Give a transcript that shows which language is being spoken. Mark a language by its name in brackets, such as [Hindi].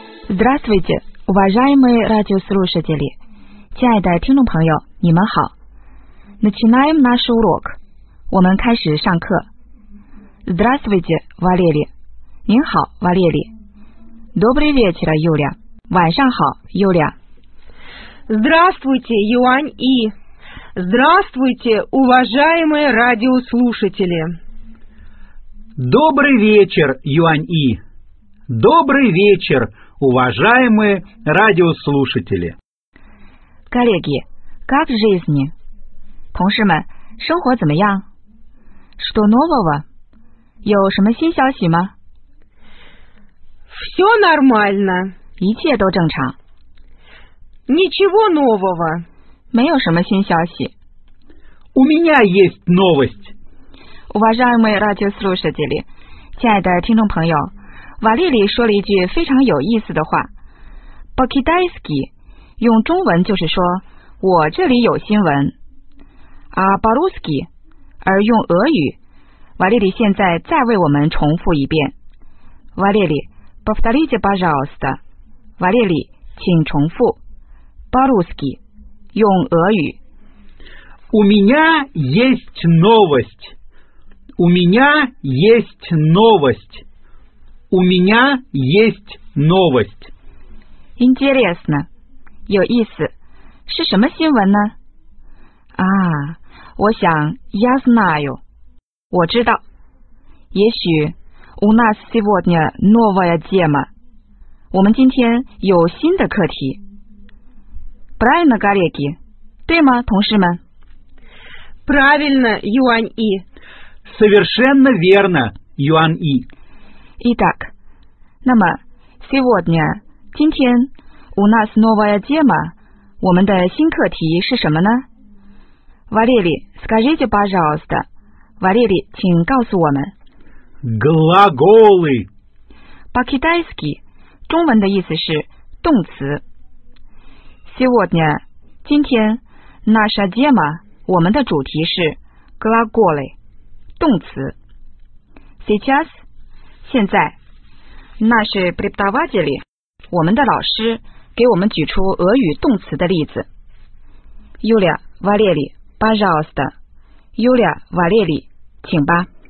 [Russian] Здравствуйте, уважаемые радиослушатели！ [Chinese] 亲爱的听众朋友，你们好。 [Russian] Начинаем наш урок。 [Chinese] 我们开始上课。 [Russian] Здравствуйте, Валерий！ [Chinese] 您好，瓦列里。 [Russian] Добрый вечер, Юля！ [Chinese] 晚上好，尤利亚。 [Russian] Здравствуйте, Юань И！ Здравствуйте, уважаемые радиослушатели！ Добрый вечер, Юань И！ Добрый вечер！ Уважаемые радиослушатели. Коллеги, как жизнь? [Chinese] 同事们，生活怎么样？ [Russian] Что нового? [Chinese] 有什么新消息吗？ [Russian] Все нормально. [Chinese] 一切都正常。 [Russian] Ничего нового. [Chinese] 没有什么新消息。 [Russian] У меня есть новость. Уважаемые радиослушатели. [Chinese] 亲爱的听众朋友，瓦莉莉说了一句非常有意思的话 ，Покидайски， 用中文就是说我这里有新闻。啊 ，Баруски， 而用俄语，瓦莉莉现在再为我们重复一遍。瓦莉莉 ， [Russian] повторите, пожалуйста。 [Chinese] 瓦莉莉，请重复。 Баруски， 用俄语。 [Russian] У меня есть новость. У меня есть новость. У меня есть новость. Интересно. [Chinese] 有意思。是什么新闻呢？啊，我想 [Russian] я знаю. [Chinese] 我知道。也许 [Russian] у нас сегодня новая тема. [Chinese] 我们今天有新的课题。 [Russian] Правильно, коллеги? [Chinese] 对吗，同事们？ [Russian] Правильно, Юань И. Совершенно верно, Юань И. Итак, [Chinese] 那么 [Russian] сегодня, [Chinese] 今天 [Russian] у нас новая тема, [Chinese] 我们的新课题是什么呢？ [Russian] Валерий, скажите, пожалуйста, Валерий, [Chinese] 请告诉我们。 [Russian] Глаголы. По-китайски, [Chinese] 中文的意思是动词。 [Russian] Сегодня, [Chinese] 今天 [Russian] наша тема, [Chinese] 我们的主题是 [Russian] глаголы, [Chinese] 动词。 [Russian] Сейчас, [Chinese] 现在，那是 [Russian] преподаватели， [Chinese] 我们的老师给我们举出俄语动词的例子。 [Russian] Юля, Валерий, пожалуйста. Юля, Валерий, [Chinese] 请吧。